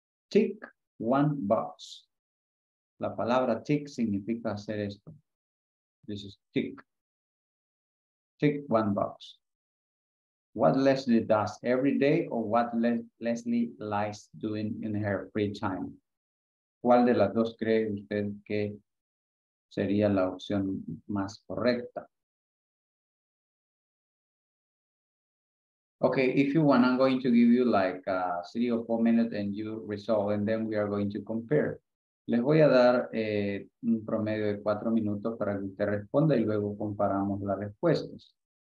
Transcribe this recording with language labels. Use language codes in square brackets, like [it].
[en] Tick one box. [es] La palabra tick significa hacer esto. [en] This is tick. Tick one box. What Leslie does every day or what Leslie likes doing in her free time? [es] ¿Cuál de las dos cree usted que sería la opción más correcta? [en] Okay, if you want, I'm going to give you like 3 or 4 minutes and you resolve and then we are going to compare. [es] Les voy a dar un promedio de 4 minutos para que usted responda y luego comparamos las respuestas.